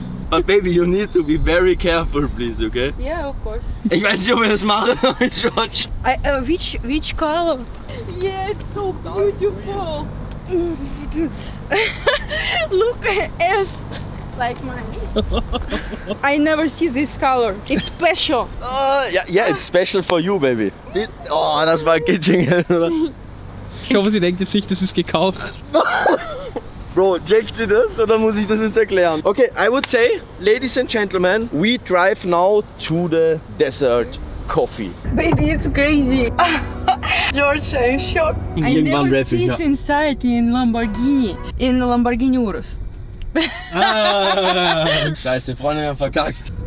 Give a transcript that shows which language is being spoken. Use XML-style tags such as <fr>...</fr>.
<en>But baby, you need to be very careful, please, okay? Yeah, of course.</en> <de>Ich weiß nicht, ob wir das machen, George.</de> <en>Which color? Yeah, it's so beautiful. Look at S. Like mine. I never see this color. It's special. Yeah, it's special for you, baby.</en> <de>Oh, das war ein Gejingel, oder? Ich hoffe, sie denkt jetzt nicht, das ist gekauft. Bro, checkt sie das oder muss ich das jetzt erklären?</de> <en>Okay, I would say, ladies and gentlemen, we drive now to the desert coffee. Baby, it's crazy. George, I'm shocked. I never refuge, sit inside in Lamborghini. In Lamborghini Urus.</en> <de>Scheiße, Freunde, wir haben verkackt.</de>